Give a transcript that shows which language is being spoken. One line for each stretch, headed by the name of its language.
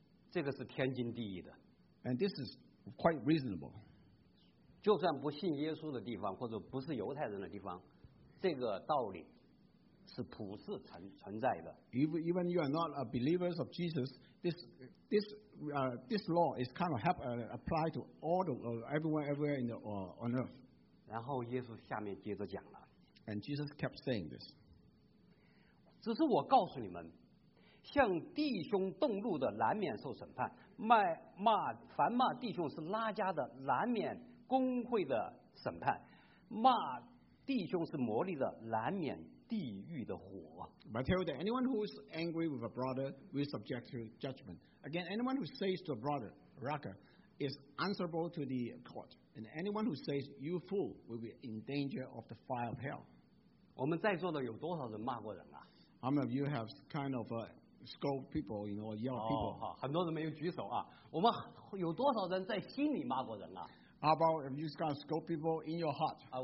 Chinese: 这个是天经地义的。
English: And this is quite reasonable.
Chinese: 就算不信耶稣的地方，或者不是犹太人的地方，这个道理。是普世存在的。
English: Even you are not a believer of Jesus, this law is kind of help apply to all the everywhere in the on earth.
Chinese: 然后耶稣下面接着讲了。
English: And Jesus kept saying this.
Chinese: 只是我告诉你们，向弟兄动怒的难免受审判，凡骂弟兄是拉加的难免公会的审判，骂弟兄是魔力的难免。地狱的火。
English: But I tell you that anyone who is angry with a brother will be subject to judgment. Again, anyone who says to a brother, Raka, is answerable to the court. And anyone who says, you fool, will be in danger of the fire of hell.
Chinese: 我们在座的有多少人骂过人啊？
English: How many of you have kind of scold people, you know, yell people?
Chinese: 很多人没有举手啊。我们有多少人在心里骂过人啊？
English: How about if you just kind of scold people in your heart?